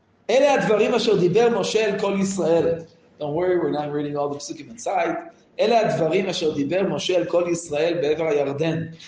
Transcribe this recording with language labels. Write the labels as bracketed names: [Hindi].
[Hebrew] אלה הדברים אשר דיבר משה אל כל ישראל. [English] Don't worry, we're not reading all the psukim inside. [Hebrew] אלה הדברים אשר דיבר משה אל כל ישראל בעבר הירדן.